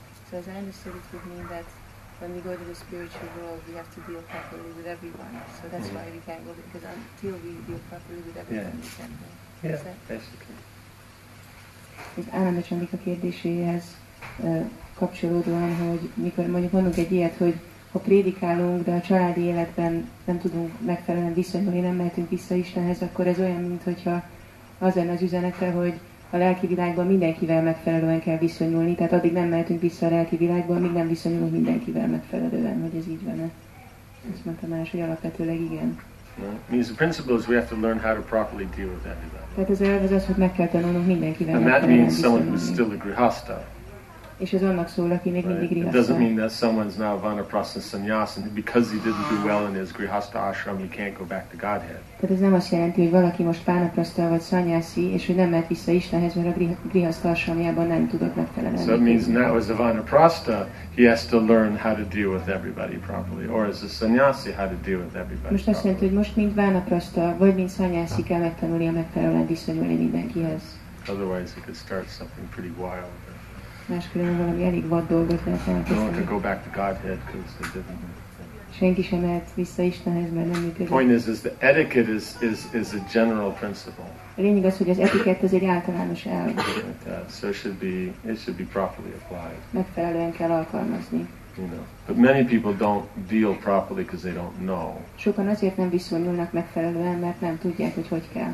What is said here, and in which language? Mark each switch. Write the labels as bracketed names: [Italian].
[English] So as I understood, it would mean that when we go to the spiritual world, we have to deal properly with everyone. So that's why we can't go there, because until we deal properly with everyone, we can't go. Yeah, basically. [Hungarian] Ez Ananda Csandika kérdéséhez kapcsolódóan, hogy mikor mondjuk mondunk egy ilyet, hogy ha prédikálunk, de a családi életben nem tudunk megfelelően viszonyulni, nem mehetünk vissza Istenhez, akkor ez olyan, mintha az lenne az üzenete, hogy a lelki világban mindenkivel megfelelően kell viszonyulni, tehát addig nem mehetünk vissza a lelki világba, amíg nem viszonyulunk mindenkivel megfelelően, hogy ez így van-e. Azt mondta más, hogy alapvetőleg igen. [English] Means the principle is we have to learn how to properly deal with everybody. [Hungarian] Tehát az elv az, hogy meg kell tanulnunk mindenkivel megfelelően viszonyulni. [English] And that means someone who's still a grihasta. [Hungarian] És ez annak szól, aki még mindig grihasta. [English] It doesn't mean that someone's now vanaprastha sannyasi, and because he didn't do well in his grihasta ashram, he can't go back to Godhead. [Hungarian] Tehát ez nem azt jelenti, hogy valaki most vanaprastha vagy sannyasi, és hogy nem mehet vissza Istenhez, mert a grihasta ashramjában nem tudott megfelelően. [English] So it means now as a vanaprastha, he has to learn how to deal with everybody properly, or as a sannyasi, how to deal with everybody properly. [Hungarian] Most azt jelenti, hogy most mint vanaprastha vagy mint sannyasi kell megtanulni a megfelelően viszonyulni mindenkihez. [English] Otherwise, it could start something pretty wild. [Hungarian] Máskülönben valami elég vad dolgot lehet elkezdeni. Senki sem mehet vissza Istenhez, mert nem működik. [English] Point is the etiquette is a general principle. [Hungarian] A lényeg az, hogy az etikett az egy általános elv. [English] So it should be properly applied. [Hungarian] Megfelelően kell alkalmazni. [English] But many people don't deal properly because they don't know. [Hungarian] Sokan azért nem viszonyulnak megfelelően, mert nem tudják, hogy hogy kell.